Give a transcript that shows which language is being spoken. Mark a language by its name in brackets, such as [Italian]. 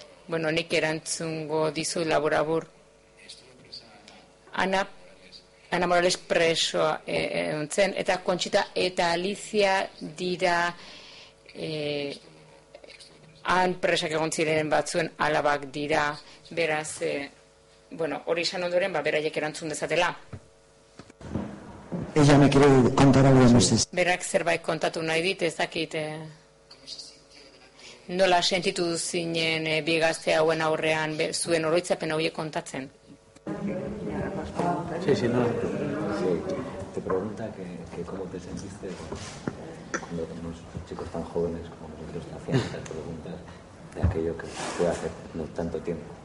[Basque] Bueno, nik erantzungo dizu laburabur. Ana Morales preso zen, eta Kontxita eta Alicia dira han presak egon ziren batzuen alabak dira, beraz, bueno, hori izan ondoren, ba, beraiek erantzun dezatela. [Spanish] Ella me quiere contar algo más. [Basque] Berak zerbait kontatu nahi dit, ez dakit, nola sentitu zinen bi gazte hauen aurrean zuen oroitzapen horiek kontatzen. [Spanish] Sí, sí, no. Sí. Te pregunta que cómo te sentiste cuando unos chicos tan jóvenes como nosotros te hacían estas preguntas de aquello que fue hace no tanto tiempo.